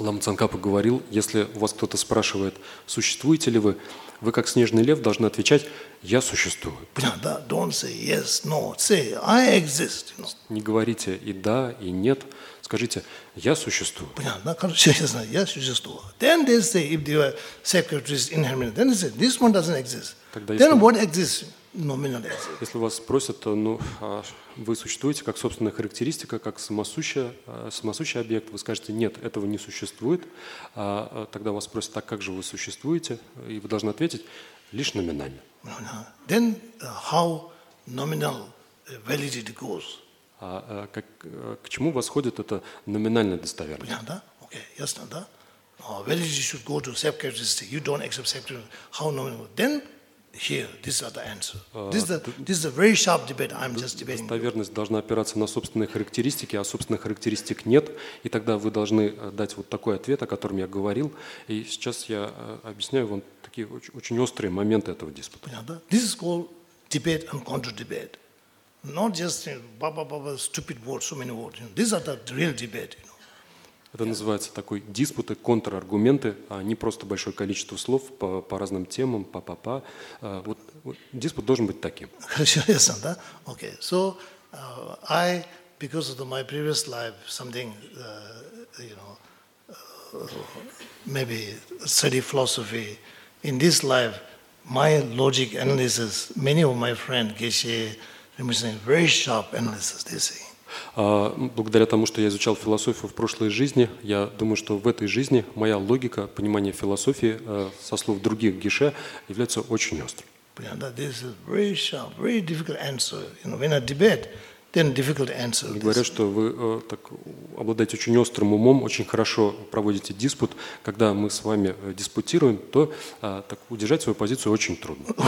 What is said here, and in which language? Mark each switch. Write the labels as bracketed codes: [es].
[ru] Лама Цанкапа говорил, если у вас кто-то спрашивает, существуете ли вы, вы как снежный лев должны отвечать: я существую. [en] Да, don't say yes, no. Say I exist. [ru] Не говорите и да, и нет. Скажите: я существую. Понятно, короче, я знаю, я существую. [en] Then they say, if they are secretaries in Hermione, then they say, this one doesn't exist. Then what exists? Nominally exists. [ru] Если вас спросят, ну, вы существуете как собственная характеристика, как самосущий объект, вы скажете: нет, этого не существует. А тогда вас спросят: так как же вы существуете? И вы должны ответить: лишь номинально. [en] Then how nominal validity goes? [ru] К чему восходит эта номинальная достоверность? Понятно, да? Окей, ясно, да? [en] Validity should go to self-characteristic. You don't accept self-characteristic. How nominal? Then here, these are the answers. This is a very sharp debate. I'm just debating. [ru] Достоверность должна опираться на собственные характеристики, а собственных характеристик нет. И тогда вы должны дать вот такой ответ, о котором я говорил. И сейчас я объясняю вам такие очень острые моменты этого диспута. Понятно, да? [en] This is called debate and counter-debate. Not just ba-ba-ba-ba, stupid words, so many words. You know, these are the real debate. You know. [ru] Это называется такой диспуты, контраргументы, а не просто большое количество слов по разным темам, па-па-па. Диспут должен быть таким. Хорошо, да? [en] Okay, so I, because of my previous life, something, you know, maybe study philosophy, in this life, my logic analysis, many of my friends, Geshe, Rinpoche, very sharp analysis, they say. [ru] Благодаря тому, что я изучал философию в прошлой жизни, я думаю, что в этой жизни моя логика, понимание философии со слов других геше является очень острым. [en] Yeah, this is very sharp, very difficult answer. You know, when I debate, then difficult answer. [ru] Говорят, что вы так обладаете очень острым умом, очень хорошо проводите диспут. Когда мы с вами диспутируем, то так удержать свою позицию очень трудно.